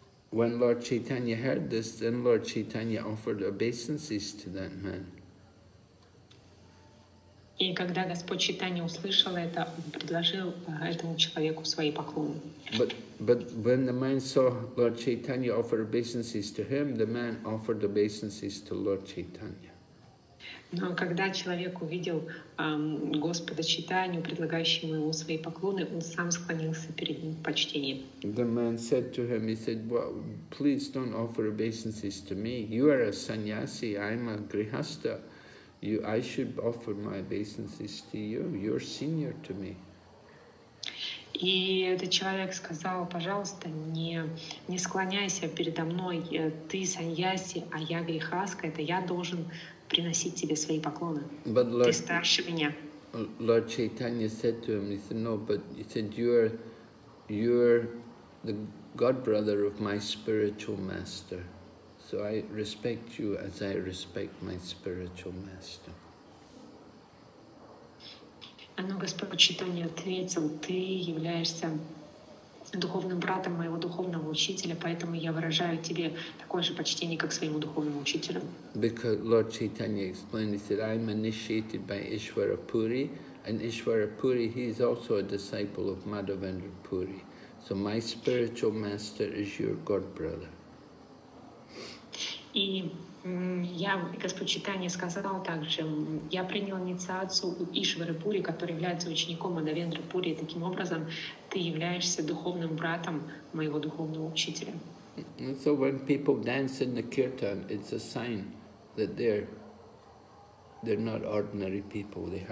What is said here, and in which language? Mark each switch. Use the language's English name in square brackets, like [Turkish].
[English] When Lord Chaitanya heard this, then Lord Chaitanya offered obeisances to that man. [Russian] И когда Господь Чайтанья услышал это, он предложил этому человеку свои поклоны. [English] But when the man saw Lord Chaitanya offer obeisances to him, the man offered obeisances to Lord Chaitanya. [Russian] Но когда человек увидел Господа Чайтанью, предлагающего ему свои поклоны, он сам склонился перед ним в почтении. [English] The man said to him, he said, "Well, please don't offer obeisances to me. You are a sannyasi, I'm a grihastha. I should offer my obeisances to you. You're senior to me." [Russian] И этот человек сказал, пожалуйста, не склоняйся передо мной. Ты сannyasi, а я грихастха. Это я должен приносить тебе свои поклоны. [English] But Lord, [Russian] ты старше меня. [English] Lord Chaitanya said to him, he said, "No, but he said you're the godbrother of my spiritual master, so I respect you as I respect my spiritual master." [Russian] Но Господь Чайтанья ответил, ты являешься духовным братом моего духовного учителя, поэтому я выражаю тебе такое же почтение, как своему духовному учителю. [English] Because Lord Chaitanya explained, he said, I'm initiated by Ishvara Puri, and Ishvara Puri, he is also a disciple of Madhavendra Puri. So my spiritual master is your god brother. [Russian] И я, Господь Читания сказал также, я принял инициацию у Ишвары Пури, который является учеником Мадхавендры Пури, и таким образом ты являешься духовным братом моего духовного учителя. [English] And so when people dance in the kirtan, it's a sign that they're not ordinary people.